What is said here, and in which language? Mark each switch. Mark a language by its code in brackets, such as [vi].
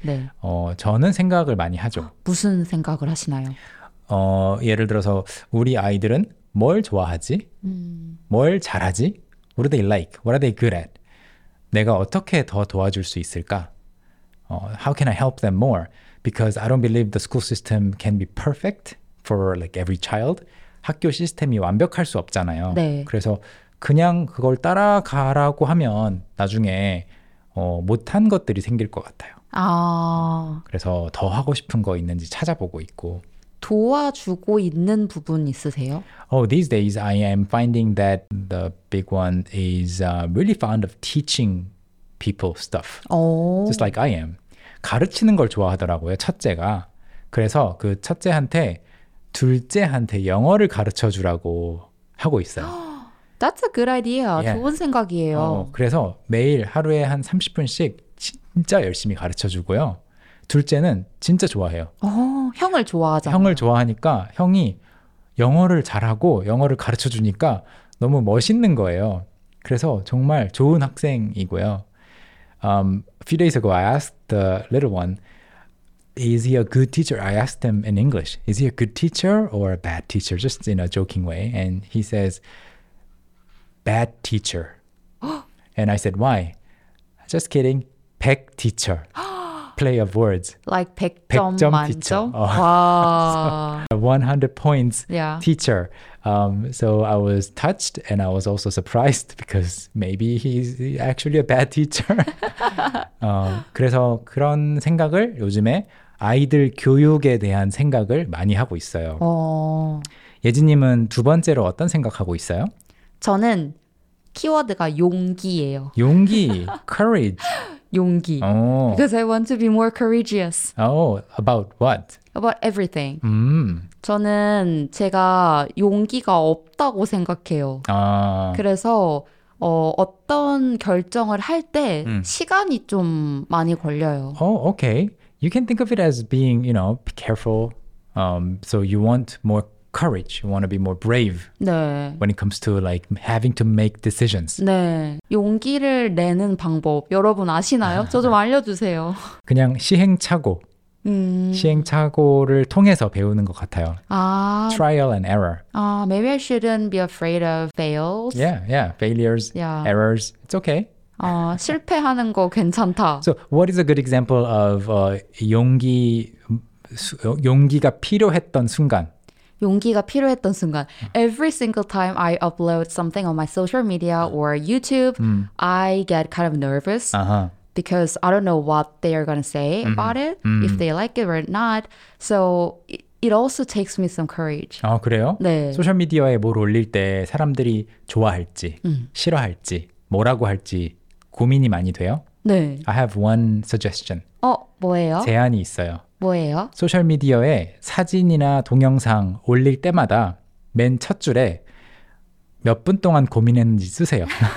[ko] 네. 저는 생각을 많이 하죠. 무슨 생각을 하시나요? 예를 들어서 우리 아이들은 뭘 좋아하지? 뭘 잘하지? [en] What do they like? What are they good at? [ko] 내가 어떻게 더 도와줄 수 있을까? [en] How can I help them more? Because I don't believe the school system can be perfect for like every child. [ko] 학교 시스템이 완벽할 수 없잖아요. 네. 그래서 그냥 그걸 따라가라고 하면 나중에 못한 것들이 생길 것 같아요. 아. 그래서 더 하고 싶은 거 있는지 찾아보고 있고. 도와주고 있는 부분 있으세요? [en] Oh, these days I am finding that the big one is really fond of teaching people stuff. Just like I am. [ko] 가르치는 걸 좋아하더라고요, 첫째가. [en] 그래서 그 첫째한테 둘째한테 영어를 가르쳐 주라고 하고 있어요. That's a good idea. Yeah. [ko] 좋은 생각이에요. 그래서 매일 하루에 한 30분씩 진짜 열심히 가르쳐 주고요. 둘째는 진짜 좋아해요. 형을 좋아하잖아요. 형을 좋아하니까 형이 영어를 잘하고 영어를 가르쳐 주니까 너무 멋있는 거예요. 그래서 정말 좋은 학생이고요. [en] A few days ago, I asked the little one, is he a good teacher? I asked him in English, is he a good teacher or a bad teacher? Just in a joking way. And he says, bad teacher. And I said, why? Just kidding. 백 teacher. Play of words. Like 백점 teacher. Wow. 100 points yeah. teacher. So I was touched and I was also surprised because maybe he's actually a bad teacher. [ko] 그래서 그런 생각을 요즘에 아이들 교육에 대한 생각을 많이 하고 있어요. 예지님은 두 번째로 어떤 생각하고 있어요? 저는 키워드가 용기예요. 용기, [en] courage. 용기. Because I want to be more courageous. About what? About everything. [ko] 저는 제가 용기가 없다고 생각해요. 그래서 어떤 결정을 할 때 시간이 좀 많이 걸려요. [en] Oh, okay. You can think of it as being, you know, be careful. So you want more courage. You want to be more brave. [ko] 네. [en] When it comes to like having to make decisions. [ko] 네. 용기를 내는 방법 여러분 아시나요? 저 좀 알려주세요. 그냥 시행착오. 시행착오를 통해서 배우는 것 같아요. 아, [en] trial and error. 아, maybe I shouldn't be afraid of fails. Yeah, yeah. Failures, yeah. Errors. It's okay. [ko] 실패하는 거 괜찮다. [en] So, what is a good example of [ko] 용기가 필요했던 순간? 용기가 필요했던 순간. [en] Every single time I upload something on my social media or YouTube, I get kind of nervous. Because I don't know what they are going to say about it, if they like it or not. So it also takes me some courage. [ko] 아, 그래요? 네. 소셜미디어에 뭘 올릴 때 사람들이 좋아할지, 싫어할지, 뭐라고 할지 고민이 많이 돼요? 네. [en] I have one suggestion. [ko] 뭐예요? 제안이 있어요. 뭐예요? 소셜미디어에 사진이나 동영상 올릴 때마다 맨 첫 줄에 몇 분 동안 고민했는지 쓰세요.